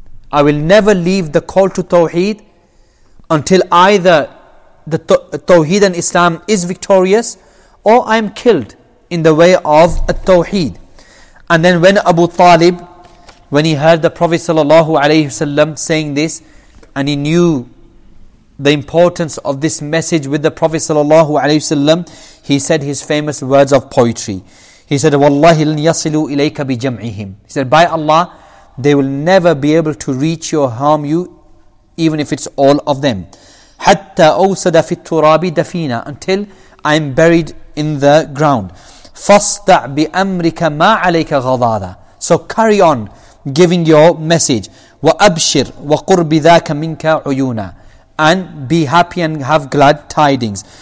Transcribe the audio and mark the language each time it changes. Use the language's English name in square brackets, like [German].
[English] I will never leave the call to Tawheed until either the Tawheed and Islam is victorious or I am killed in the way of At-Tawheed. And then when Abu Talib, when he heard the Prophet sallallahu alayhi wasallam saying this, and he knew the importance of this message with the Prophet sallallahu alayhi wasallam, he said his famous words of poetry. He said, [Arabic] وَاللَّهِ لَنْ يَصِلُوا إِلَيْكَ بِجَمْعِهِمْ. [English] He said, by Allah, they will never be able to reach you or harm you, even if it's all of them. [Arabic] حَتَّى أَوْسَدَ فِي التُّرَابِ دَفِينَا, [English] until I am buried in the ground. [Arabic] فَصْدَعْ بِأَمْرِكَ مَا عَلَيْكَ غَضَاذَا. [English] So carry on giving your message. [Arabic] وَأَبْشِرْ وَقُرْ بِذَاكَ مِنْكَ عُيُونَا, [English] and be happy and have glad tidings.